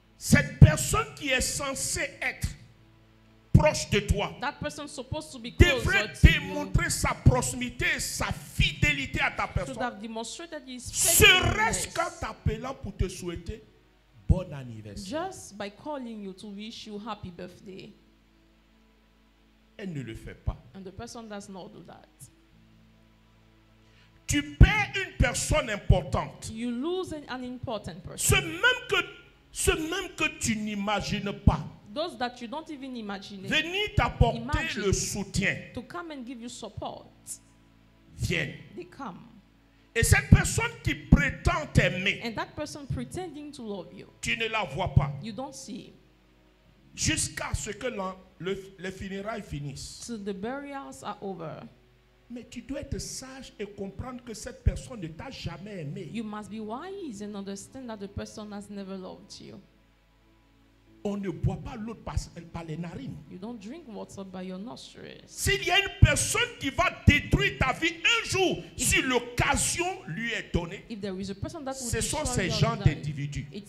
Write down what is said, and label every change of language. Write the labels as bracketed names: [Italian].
[French] Cette personne qui est censée être proche de toi. [English] That person supposed to be close [French] devrait démontrer sa proximité et sa fidélité à ta personne. [English] Should have demonstrated his faithfulness. [French] Serait-ce qu'en t'appelant pour te souhaiter bon anniversaire. [English] Just by calling you to wish you happy birthday. [French] Elle ne le fait pas. [English] And the person does not do that. [French] Tu perds une personne importante. [English] You lose an important person. [French] Ce même que tu n'imagines pas. [English] Those that you don't even imagine. [French] Venir t'apporter [English] imagine [French] le soutien. [English] To come and give you support. [French] Viennent. [English] They come. [French] Et cette personne qui prétend t'aimer. [English] And that person pretending to love you. [French] Tu ne la vois pas. [English] You don't see him. [French] Jusqu'à ce que les funérailles finissent. [English] Till the burials are over. [French] Mais tu dois être sage et comprendre que cette personne ne t'a jamais aimé. [English] You must be wise and understand that the person has never loved you. [French] On ne boit pas l'eau par les narines. [English] You don't drink water by your nostrils. [French] S'il y a une personne qui va détruire ta vie un jour ou jour, si l'occasion lui est donnée, ce sont ces gens d'individus.